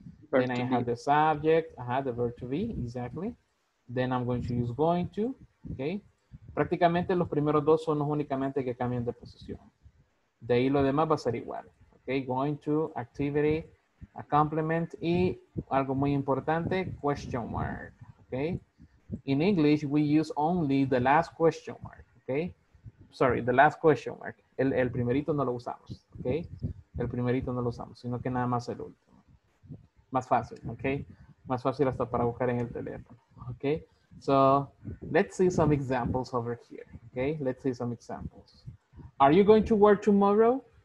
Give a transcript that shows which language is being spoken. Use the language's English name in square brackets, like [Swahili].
[English] Verb then I have the subject, the verb to be, exactly. Then I'm going to use going to, okay? [Spanish] Prácticamente, los primeros dos son los únicamente que cambian de posición. De ahí, lo demás va a ser igual, okay? [English] Going to, activity, a complement, [Spanish] y algo muy importante, [English] question mark, okay? In English, we use only the last question mark, okay? Sorry, the last question mark. [Spanish] El primerito no lo usamos, [English] okay? [Spanish] El primerito no lo usamos, sino que nada más el último. Más fácil, okay? Más fácil hasta para buscar en el teléfono, okay? [English] So, let's see some examples over here, okay? Let's see some examples. Are you going to work tomorrow?